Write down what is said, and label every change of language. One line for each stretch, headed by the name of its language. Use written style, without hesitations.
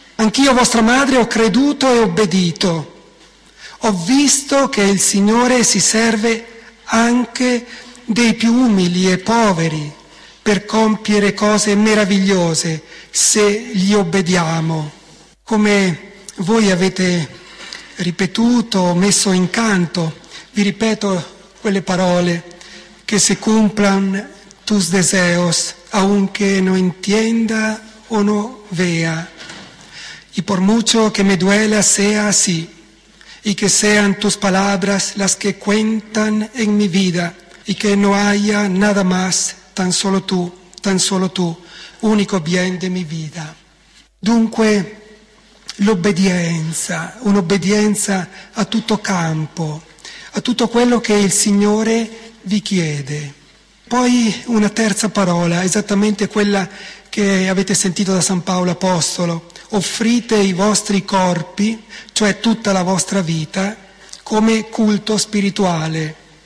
Italian: Anch'io, vostra madre, ho creduto e obbedito. Ho visto che il Signore si serve anche dei più umili e poveri per compiere cose meravigliose se gli obbediamo. Come voi avete ripetuto, messo in canto, vi ripeto quelle parole:
Spanish: che se cumplan tus deseos, aunque no entienda o no vea, y por mucho que me duela sea así, y que sean tus palabras las que cuentan en mi vida, y que no haya nada más, tan solo tú, único bien de mi vida.
Italian: Dunque, l'obbedienza, un'obbedienza a tutto campo, a tutto quello che il Signore vi chiede. Poi una terza parola, esattamente quella che avete sentito da San Paolo Apostolo: offrite i vostri corpi, cioè tutta la vostra vita, come culto spirituale.